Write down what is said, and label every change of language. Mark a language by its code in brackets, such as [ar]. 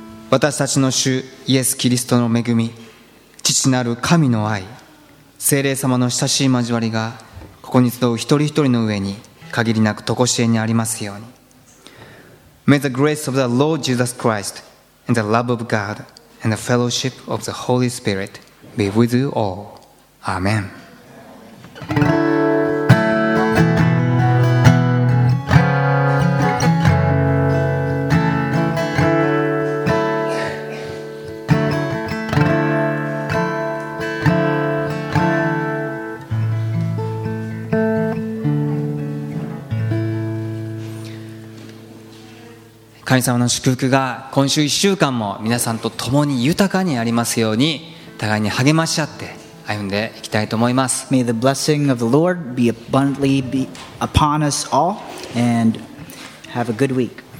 [ja] 私たちの主イエス・キリストの恵み、父なる神の愛、聖霊様の親しい交わりがここに集う一人一人の上に限りなく常しえにありますように。 [en] May the grace of the Lord Jesus Christ and the love of God and the fellowship of the Holy Spirit be with you all. Amen. [ja] 神様の祝福が今週1週間も皆さんと共に豊かにありますように、互いに励まし合って歩んでいきたいと思います。 [en] May the blessing of the Lord be abundantly be upon us all and have a good week.